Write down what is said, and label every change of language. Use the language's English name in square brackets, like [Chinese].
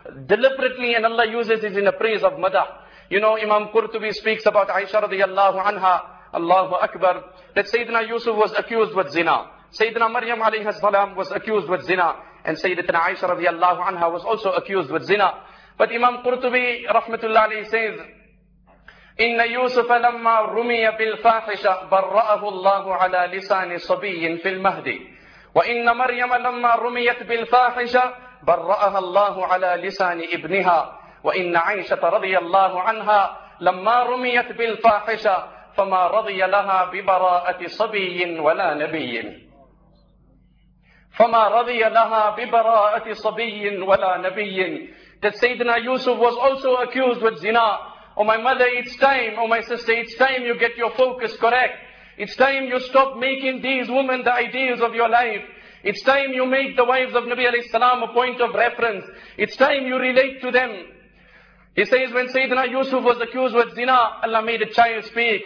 [English] Deliberately, and Allah uses it in the praise of madah. You know, Imam Qurtubi speaks about Aisha radiallahu anha, Allahu Akbar, that Sayyidina Yusuf was accused with zina. Sayyidina Maryam alayhi salam was accused with zina. And Sayyidina Aisha radiallahu anha was also accused with zina. But Imam Qurtubi rahmatullahi alayhi says, [Arabic] إِنَّ يُوسُفَ لَمَّا رُمِيَ بِالْفَاحِشَةِ بَرَّأَهُ اللَّهُ عَلَى لِسَانِ صَبِيٍّ فِي الْمَهْدِ وَإِنَّ مَرْيَمَ لَمَّا رُمِيَتْ بِالْفَاحِشَةِ بَرَّأَهَا اللَّهُ عَلَى لِسَانِ ابْنِهَا وَإِنَّ عَيْشَةَ رَضِيَ اللَّهُ عَنْهَا لَمَّا رُمِيَتْ بِالْفَاحِشَةِ فَمَا رَضِيَ لَهَا بِبَرَاءَةِ صَبِيٍّ وَلَا نَبِيٍّ فَمَا رَضِيَ لَهَا بِبَرَاءَةِ صَبِيٍّ وَلَا نَبِيٍّ. [English] That Sayyidina Yusuf was also accused with zina. Oh my mother, it's time. Oh my sister, it's time you get your focus correct. It's time you stop making these women the ideals of your life. It's time you make the wives of Nabi alayhi salam a point of reference. It's time you relate to them. He says, when Sayyidina Yusuf was accused with zina, Allah made a child speak.